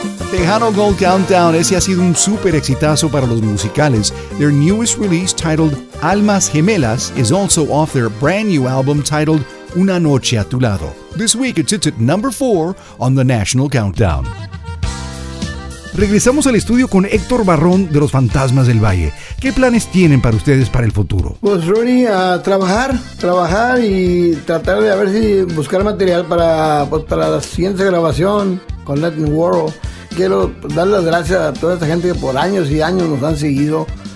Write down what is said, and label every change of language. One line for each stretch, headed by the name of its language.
Spanish: Tejano Gold Countdown, ese ha sido un súper exitazo para los musicales.
English: Their newest release, titled Almas Gemelas, is also off their brand new album titled Una Noche a Tu Lado. This week it sits at number 4 on the National Countdown.
Spanish: Regresamos al estudio con Héctor Barrón de Los Fantasmas del Valle. ¿Qué planes tienen para ustedes para el futuro? Pues, Rory, a trabajar y tratar de a ver si buscar material para, pues, para la siguiente grabación con Latin World. Quiero dar las gracias a toda esta gente que por años y años nos han seguido.